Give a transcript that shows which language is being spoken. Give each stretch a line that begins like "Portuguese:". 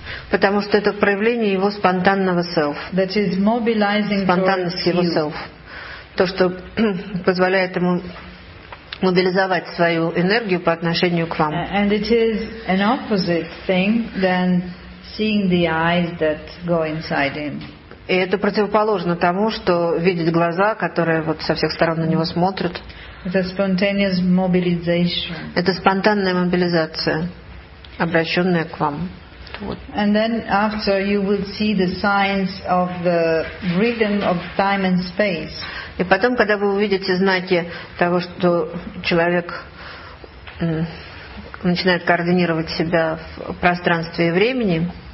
Russian: Потому что это проявление его спонтанного self.
English: That is mobilizing
Russian: спонтанность его self. То, что позволяет ему мобилизовать свою энергию по отношению к вам.
English: And it is an opposite thing than seeing the eyes that go inside him.
Russian: И это противоположно тому, что видеть глаза, которые вот со всех сторон на него смотрят. Это
English: spontaneous mobilization.
Russian: Это спонтанная мобилизация, обращенная к вам. Вот.
English: And then after you will see the signs of the rhythm of time and space.
Russian: И потом, когда вы увидите знаки того, что человек начинает координировать себя в пространстве и времени.